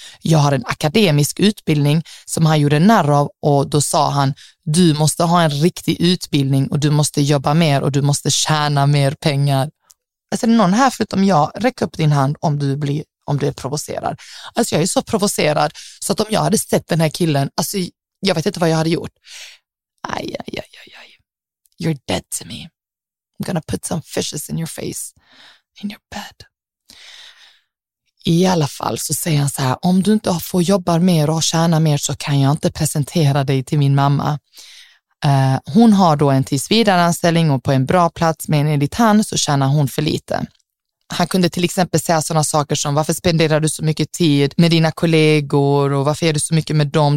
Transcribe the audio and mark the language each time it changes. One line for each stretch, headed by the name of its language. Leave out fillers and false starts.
Swedish: Jag har en akademisk utbildning som han gjorde narr av, och då sa han, du måste ha en riktig utbildning och du måste jobba mer och du måste tjäna mer pengar. Alltså, är det någon här förutom jag? Räck upp din hand om du är provocerad. Alltså, jag är så provocerad så att om jag hade sett den här killen, alltså, jag vet inte vad jag hade gjort.
English: Aj, aj, aj, aj, aj. You're dead to me. I'm gonna put some fishes in your face, in your bed.
Swedish: I alla fall så säger han så här, om du inte får jobba mer och tjäna mer så kan jag inte presentera dig till min mamma. Hon har då en tillsvidareanställning och på en bra plats, men enligt han så tjänar hon för lite. Han kunde till exempel säga sådana saker som, varför spenderar du så mycket tid med dina kollegor och varför är du så mycket med dem?